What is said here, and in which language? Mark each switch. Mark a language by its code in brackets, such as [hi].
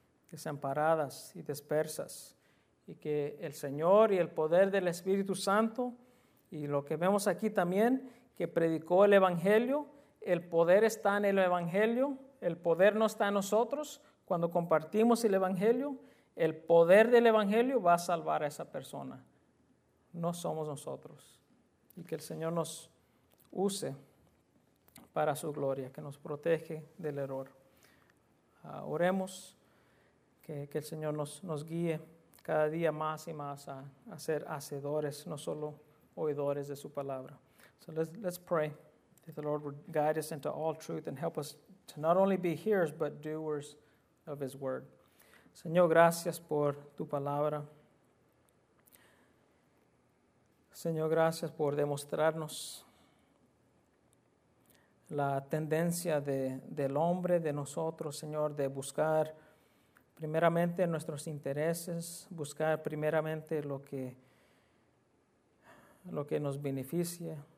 [es] desamparadas y dispersas, y que el Señor y el poder del Espíritu Santo, y lo que vemos aquí también, que predicó el Evangelio, el poder está en el Evangelio, el poder no está en nosotros, cuando compartimos el Evangelio, el poder del Evangelio va a salvar a esa persona, no somos nosotros, y que el Señor nos use para su gloria, que nos protege del error. Oremos que el Señor nos guíe cada día más y más a ser hacedores, no solo oidores de su palabra. [en] So let's pray that the Lord would guide us into all truth and help us to not only be hearers but doers of his word. [es] Señor, gracias por tu palabra. Señor, gracias por demostrarnos la tendencia del hombre, de nosotros, Señor, de buscar primeramente nuestros intereses, buscar primeramente lo que nos beneficia.